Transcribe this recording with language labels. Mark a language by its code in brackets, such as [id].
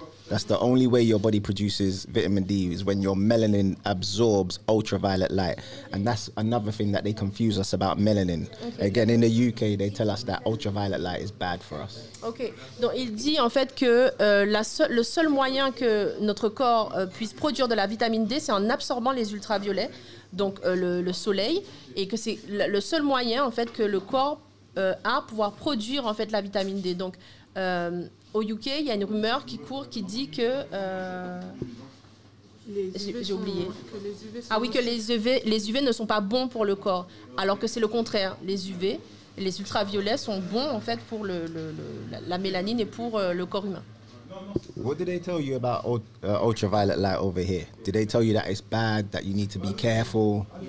[en] That's the only way your body produces vitamin D is when your melanin absorbs ultraviolet light. And that's another thing that they confuse us about melanin. Okay. Again, in the UK, they tell us that ultraviolet light is bad for us. Okay. [fr] Donc, il dit en fait que le seul moyen que notre corps puisse produire de la vitamine D, c'est en absorbant les ultraviolets, donc le soleil, et que c'est le seul moyen en fait que le corps a pouvoir produire en fait la vitamine D. Donc, au UK, il y a une rumeur qui court qui dit que les UV ne sont pas bons pour le corps, alors que c'est le contraire. Les UV, les ultraviolets sont bons en fait pour la mélanine et pour le corps humain. [en] What did they tell you about ultraviolet light over here? Did they tell you that it's bad, that you need to be careful,